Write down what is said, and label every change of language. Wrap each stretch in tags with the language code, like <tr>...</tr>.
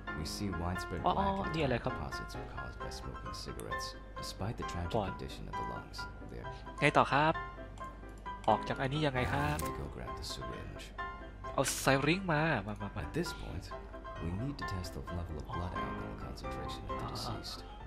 <en>We see widespread black deposits were caused by smoking cigarettes. Despite the tragic condition of the lungs, there.</en> <th>ไงต่อครับออกจากอันนี้ยังไงครับ</th> <en>Go grab the syringe.</en> <th>เอาไซริงมา</th> <en>At this point, we need to test the level of blood alcohol concentration of the deceased.</en>